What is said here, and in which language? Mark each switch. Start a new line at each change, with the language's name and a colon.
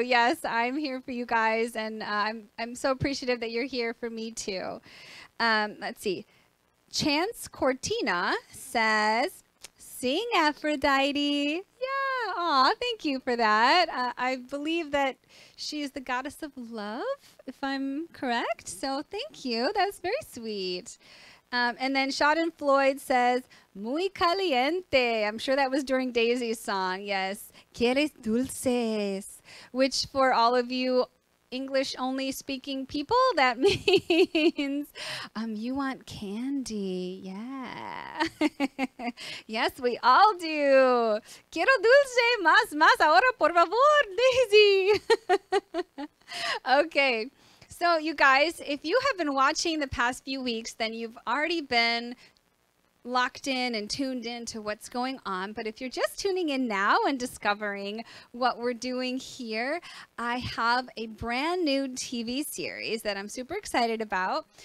English: Yes, I'm here for you guys, and I'm so appreciative that you're here for me too. Let's see. Chance Cortina says, sing Aphrodite. Yeah, aw, thank you for that. I believe that she is the goddess of love, if I'm correct, so thank you. That's very sweet. And then Sean Floyd says,
Spanish: muy caliente.
English: I'm sure that was during Daisy's song. Yes.
Spanish: Quieres dulces.
English: Which for all of you English only speaking people, that means you want candy. Yeah. Yes, we all do.
Spanish: Quiero dulce, más, más, ahora, por favor, Daisy.
English: Okay. So, you guys, if you have been watching the past few weeks, then you've already been locked in and tuned in to what's going on. But if you're just tuning in now and discovering what we're doing here, I have a brand new TV series that I'm super excited about.